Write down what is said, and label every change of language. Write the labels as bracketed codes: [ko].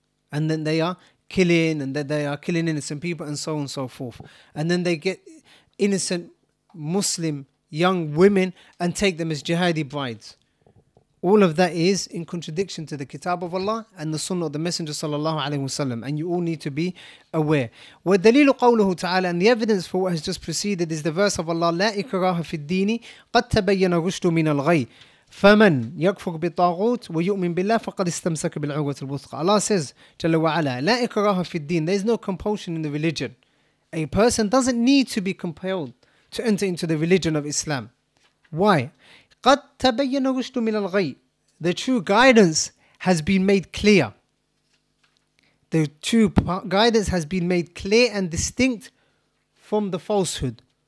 [en] And then they are killing, and that they are killing innocent people, and so on and so forth. And then they get innocent Muslim young women and take them as jihadi brides. All of that is in contradiction to the Kitab of Allah and the Sunnah of the Messenger sallallahu alaihi wasallam. And you all need to be aware. [ar] والدليل قوله تعالى, [en] and the evidence for what has just preceded is the verse of Allah, [ar] لا إكراه في الدين قد تبين الرشد من الغي فمن يكفر بالطاغوت ويؤمن بالله فقد استمسك بالعروة الوثقى. [en] Allah says, [ar] جل وعلا, لا إكراه في الدين. [en] There is no compulsion in the religion. A person doesn't need to be compelled to enter into the religion of Islam. [ar] Why? قَدْ تَبَيَّنَ رُشْدُ مِنَ الْغَيْءِ. [en] The true guidance has been made clear. The true guidance has been made clear and distinct from the falsehood.